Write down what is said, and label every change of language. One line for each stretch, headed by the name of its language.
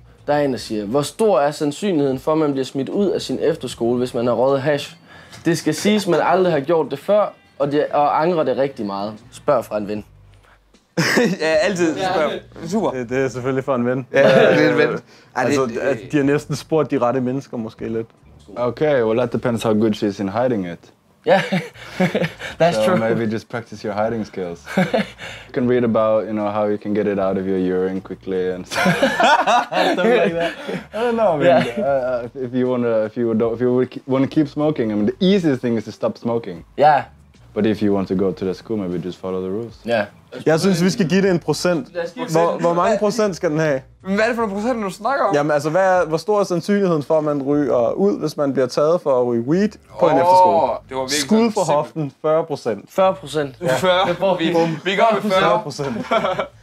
Danish: Der er en, der siger, hvor stor er sandsynligheden for, at man bliver smidt ud af sin efterskole, hvis man har røget hash? Det skal siges, man aldrig har gjort det før, og, og angrer det rigtig meget. Spørg fra en ven. Ja, altid spørger. Super. Det er selvfølgelig for en ven. Ja, det er en ven. Altså, de har næsten spurgt de rette mennesker måske lidt.
English: Okay, well, that depends how good she is in hiding it. Yeah, that's so true. So maybe just practice your hiding skills. You can read about, you know, how you can get it out of your urine quickly and stuff. Something like that. I don't know. I mean, yeah. If you want to keep smoking, I mean, the easiest thing is to stop smoking. Yeah. But if you want to go to the school, maybe just follow the rules. Yeah.
Danish: Jeg synes, vi skal give det en procent. Hvor mange procent skal den have? Hvad er det for en procent, du snakker om? Jamen, altså, hvor stor er sandsynligheden for, at man ryger ud, hvis man bliver taget for at ryge weed på en efterskole? Det var virkelig skud for hoften, 40%. 40%? Ja. 40? Det får vi går med 40.